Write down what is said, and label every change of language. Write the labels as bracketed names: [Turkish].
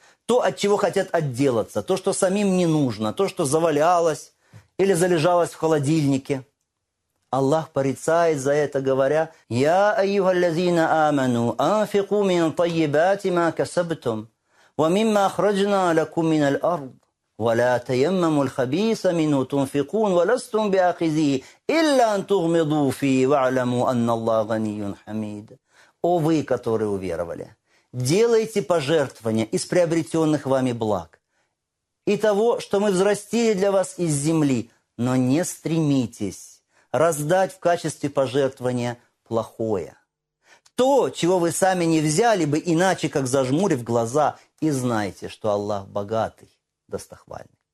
[Russian] То, от чего хотят отделаться, то, что самим не нужно, то, что завалялось или залежалось в холодильнике. Аллах порицает за это, говоря: [Arabic] «Я айюха лязина аману, анфику мин тайебати ма касабтум, ва мимма ахраджна лакум мин аль-ард. ولا تيمموا الخبيث منه تنفقون ولستم بآخذيه إلا أن تغمضوا فيه واعلموا أن الله غني حميد». [Russian] О вы, которые уверовали, делайте пожертвования из приобретенных вами благ и того, что мы взрастили для вас из земли, но не стремитесь раздать в качестве пожертвования плохое, то, чего вы сами не взяли бы, иначе как зажмурив глаза, и знайте, что Аллах богатый, достохвальный.